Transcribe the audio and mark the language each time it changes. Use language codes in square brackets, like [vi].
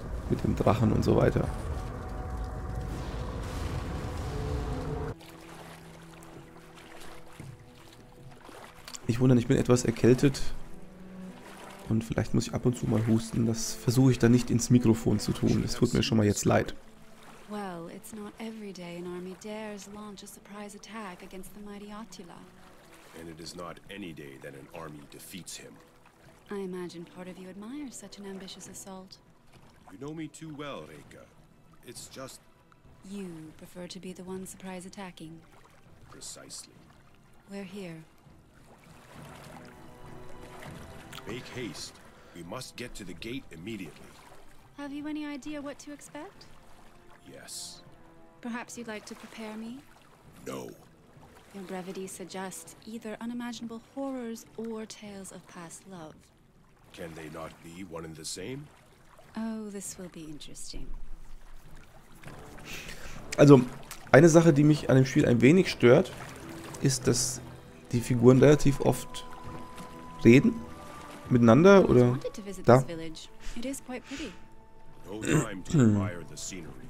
[de] Mit dem Drachen und so weiter. Ich wundere, ich bin etwas erkältet. Und vielleicht muss ich ab und zu mal husten. Das versuche ich dann nicht ins Mikrofon zu tun. Es tut mir schon mal jetzt leid. [en] Well, it's not every day an army dares launch a surprise attack against the mighty Attila. And it is not any day that an army defeats him. I imagine part of you admires such an ambitious assault. You know me too well, Reika. It's just... You prefer to be the one surprise attacking. Precisely. We're here. Make haste. We must get to the gate immediately. Have you any idea what to expect? Yes. Perhaps you'd like to prepare me? No. Your brevity suggests either unimaginable horrors or tales of past love. Can they not be one and the same? Oh, this will be interesting. [de] Also, eine Sache, die mich an dem Spiel ein wenig stört, ist, dass die Figuren relativ oft reden miteinander oder da. [en] It is quite pretty. No time to admire the scenery.